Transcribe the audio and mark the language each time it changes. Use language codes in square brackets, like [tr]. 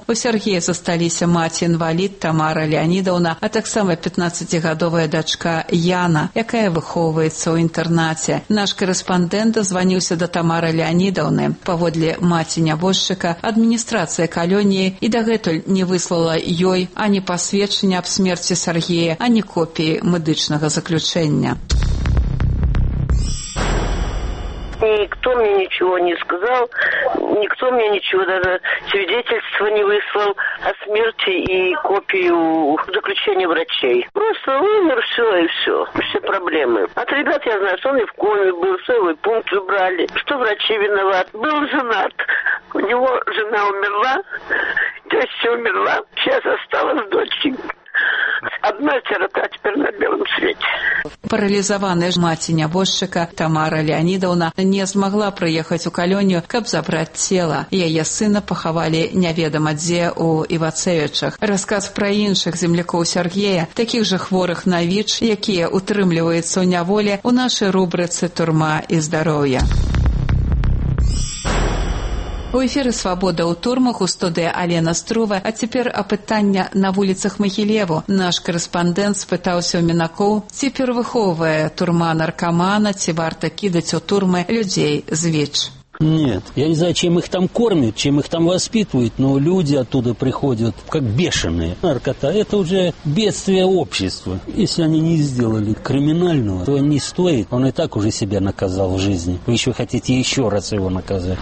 [be] У Сергея засталіся маці-інвалід Тамара Леонідаўна, а таксама 15-гадовая дачка Яна, якая выхоўваецца ў інтэрнаце. Наш корэспандэнт званіўся да Тамары Леонідаўны. Паводле маці нябожчыка, адміністрацыя калоніі і дагэтуль не выслала ёй ані пасведчання аб смерці Сергея, ані копіі медычнага заключэння. [ru] Никто мне ничего не сказал, никто мне ничего, даже свидетельства не выслал о смерти и копию заключения врачей. Просто умер, все и все, все проблемы. От ребят я знаю, что он и в коме был, что его пункт убрали, что врачи виноват. Был женат, у него жена умерла, тёща умерла, сейчас осталась доченька. Одна сирота теперь на белом свете. [be] Паралізаваная ж маці нябожчыка Тамара Леонідаўна не змагла прыехаць у калонію, каб забраць цела. Яе сына пахавалі няведама дзе ў Івацевічах. Расказ пра іншых землякоў Сергея, такіх жа хворых на ВІЧ, якія ўтрымліваюцца ў няволі, у нашай рубрыцы «Турма і здароўе». У эфіры «Свабода» ў турмах у студыі Алена Струва, а цяпер апытання на вуліцах Магілеву. Наш корэспандэнт спытаўся ў мінакоў, ці перавыхоўвае турма наркамана, ці варта кідаць у турмы людзей з ВІЧ. [ru] Нет, я не знаю, чем их там кормят, чем их там воспитывают, но люди оттуда приходят как бешеные. Наркота – это уже бедствие общества. Если они не сделали криминального, то не стоит. Он и так уже себя наказал в жизни. Вы еще хотите еще раз его наказать?